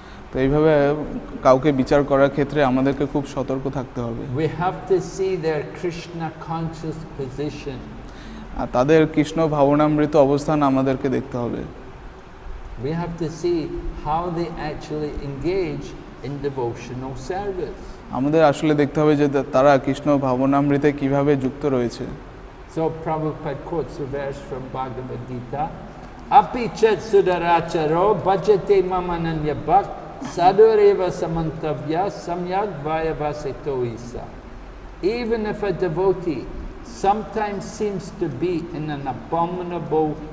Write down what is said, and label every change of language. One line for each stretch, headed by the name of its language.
Bangla: তো এইভাবে কাউকে বিচার করার ক্ষেত্রে আমাদেরকে খুব সতর্ক থাকতে হবে
English: We have to see their Krishna conscious position
Bangla: আর তাদের কৃষ্ণ ভাবনামৃত অবস্থান আমাদেরকে দেখতে হবে
English: We have to see how they actually engage in devotional service
Bangla: আমাদের আসলে দেখতে হবে যে তারা কৃষ্ণ ভাবনামৃতে কিভাবে যুক্ত রয়েছে
English: So Prabhupada quotes a verse from Bhagavad Gita
Sanskrit: Api chet sudaracharo bhajate mam ananya bhak sadureva samantavya samyag vayavasito isa
English: Even if a devotee sometimes seems to be in an abominable